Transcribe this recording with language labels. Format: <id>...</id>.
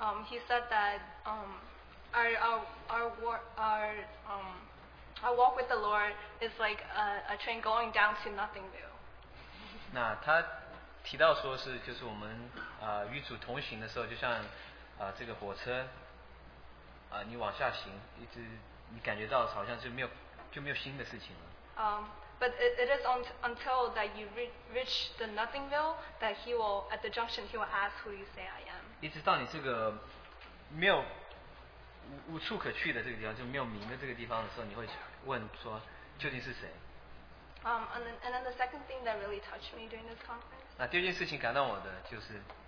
<en>He said that our walk with the Lord is like a train going down to Nothingville.</en> <zh>那他提到说是就是我们与主同行的时候，就像这个火车，你往下行，一直你感觉到好像是没有新的事情了。</zh> <en>But it is until that you reach the Nothingville that he will at the junction he will ask who you say I am.</en> <zh>一直到你这个没有无处可去的这个地方, 就没有名的这个地方的时候, 你会问说, 究竟是谁?</zh> <en>And then the second thing that really touched me during this conference.</en> <zh>那第二件事情感动我的就是,</zh>